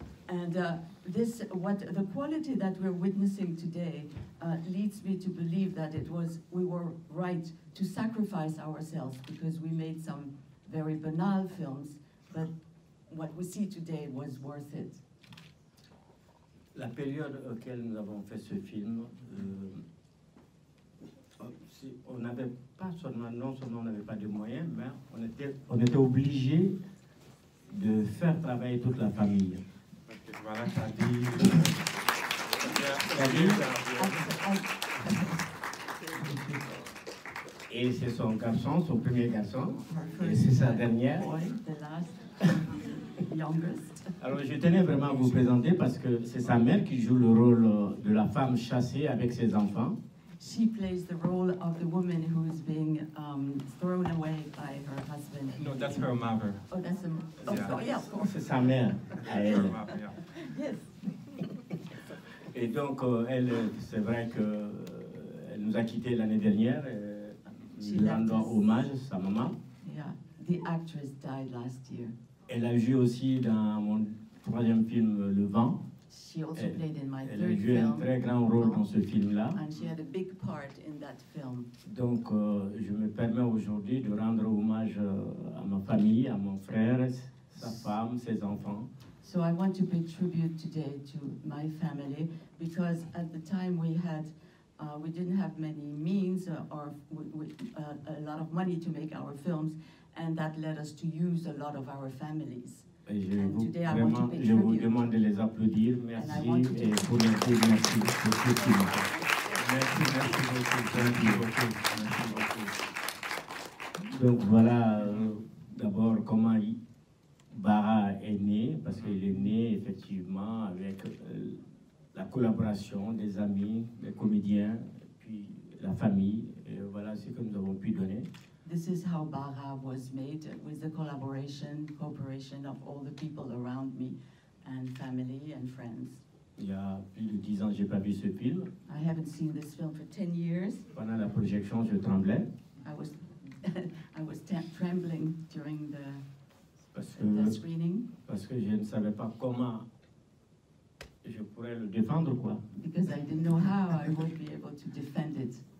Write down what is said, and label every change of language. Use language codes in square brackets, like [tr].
[en] And the quality that we're witnessing today leads me to believe that we were right to sacrifice ourselves because we made some very banal films, but what we see today was worth it. [fr] La période auquel nous avons fait ce film, on n'avait pas seulement, non seulement on n'avait pas de moyens, mais on était obligé de faire travailler toute la famille. Voilà, Khadir. Et c'est son garçon, son premier garçon. Et c'est sa dernière. Oui, [en] the last, youngest. [fr] Alors, je tenais vraiment à vous présenter parce que c'est sa mère qui joue le rôle de la femme chassée avec ses enfants. [en] She plays the role of the woman who is being thrown away by her husband. No, that's her mother. Oh, that's the mother. Oh, yeah. Oh, yeah. [fr] C'est sa mère. [en] Her mother, yeah. Yes. [fr] Et donc, elle, c'est vrai que elle nous a quittés l'année dernière. [en] She [fr] rendant hommage à sa maman. [en] Yeah, the actress died last year. [fr] Elle a joué aussi dans mon troisième film, Le Vent. [en] She also [fr] elle, [en] played in my [fr] elle [en] third [fr] a joué [en] film, [fr] un très grand rôle dans ce film-là. [en] And she had a big part in that film. [fr] Donc, je me permets aujourd'hui de rendre hommage à ma famille, à mon frère, sa femme, ses enfants. [en] So I want to pay tribute today to my family because at the time we had, we didn't have many means or a lot of money to make our films, and that led us to use a lot of our families. [fr] Je vous demande de les applaudir, merci, et pour le coup, merci beaucoup. Merci, merci beaucoup, merci beaucoup, merci beaucoup. Donc voilà, d'abord, comment Bara est né, parce qu'il est né effectivement avec la collaboration des amis, des comédiens, puis la famille, et voilà ce que nous avons pu donner. [en] This is how Bara was made, with the collaboration, cooperation of all the people around me, and family and friends. [fr] Il y a plus de 10 ans, j'ai pas vu ce film. [en] I haven't seen this film for 10 years. [fr] Pendant la projection, je tremblais. [en] I was trembling during the screening. [fr] Parce que je ne savais pas comment je pourrais le défendre, quoi. [en] Because I didn't know how I would be able to defend it.